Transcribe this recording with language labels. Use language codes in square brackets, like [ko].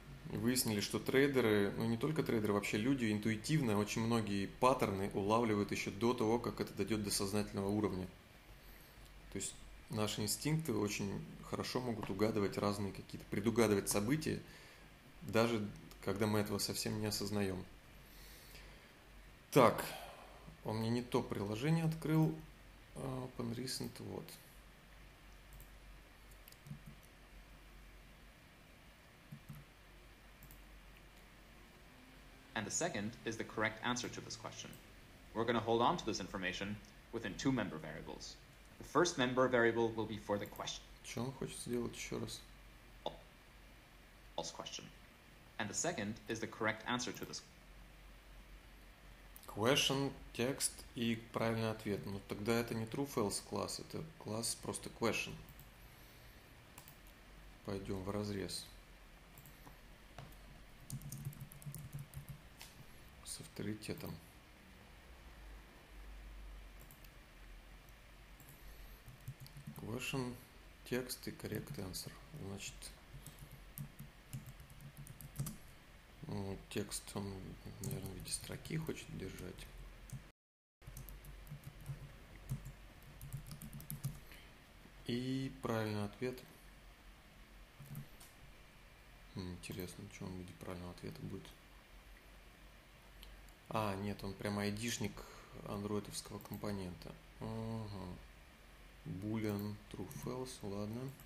[ru] Выяснили, что трейдеры, ну не только трейдеры, вообще люди интуитивно очень многие паттерны улавливают еще до того, как это дойдет до сознательного уровня. То есть наши инстинкты очень хорошо могут угадывать разные какие-то, предугадывать события, даже когда мы этого совсем не осознаем. Так, он мне не то приложение открыл. Open Recent, вот. [en] And the second is the correct answer to this question. We're going to hold on to this information within two member variables. The first member variable will be for the question. [ru] Что он хочет сделать еще раз? [en] False question. And the second is the correct answer to this. [ru] question, текст и правильный ответ. Но тогда это не true-false класс, это класс просто question. Пойдем в разрез. С авторитетом. Question, текст и correct answer. Значит, ну, текст он, наверное, в виде строки хочет держать. И правильный ответ. Интересно, что он в виде правильного ответа будет. А, нет, он прямо айдишник андроидовского компонента. Ага. Boolean true false, ладно.